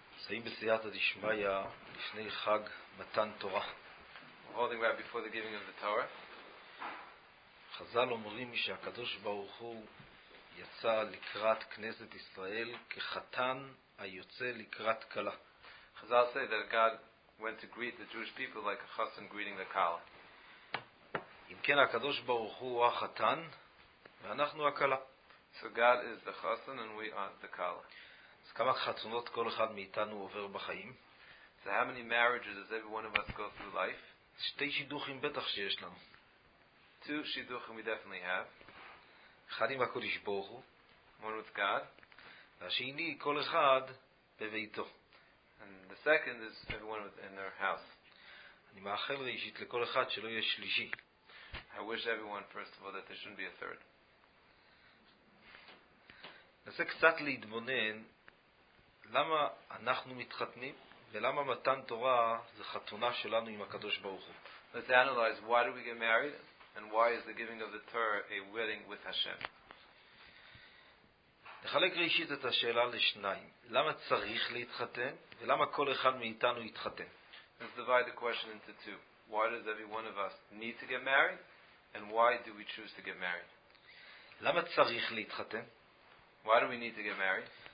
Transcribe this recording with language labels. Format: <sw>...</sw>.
<he>נמצאים בסייעתא דשמיא לפני חג מתן תורה.</he> <en>Holding right before the giving of the Torah.</en> <he>חז"ל אומרים שהקדוש ברוך הוא יצא לקראת כנסת ישראל כחתן היוצא לקראת כלה.</he> <en>Chazal say that God went to greet the Jewish people like a chassan greeting the kala.</en> <he>אם כן, הקדוש ברוך הוא החתן ואנחנו הכלה.</he> <en>So God is the chassan and we are the kala.</en> <he>אז כמה חתונות כל אחד מאיתנו עובר בחיים?</he> <en>So how many marriages does every one of us go through life?</en> <he>שתי שידוכים בטח שיש לנו.</he> <en>Two שידוכים we definitely have.</en> <he>אחד עם הקודש ברוך הוא.</he> <en>One with God.</en> <he>והשני כל אחד בביתו.</he> <en>And the second is everyone in their house.</en> <he>אני מאחל ראשית לכל אחד שלא יהיה שלישי.</he> <en>I wish everyone, first of all, that there shouldn't be a third.</en> <he>נעשה קצת להתבונן למה אנחנו מתחתנים ולמה מתן תורה זה חתונה שלנו עם הקדוש ברוך הוא.</he> <en>Let's analyze why do we get married and why is the giving of the Torah a wedding with Hashem.</en> <he>נחלק ראשית את השאלה לשניים. למה צריך להתחתן ולמה כל אחד מאיתנו יתחתן.</he> <en>Let's divide the question into two. Why does every one of us need to get married and why do we choose to get married.</en> <he>למה צריך להתחתן?</he> <en>Why do we need to get married?</en>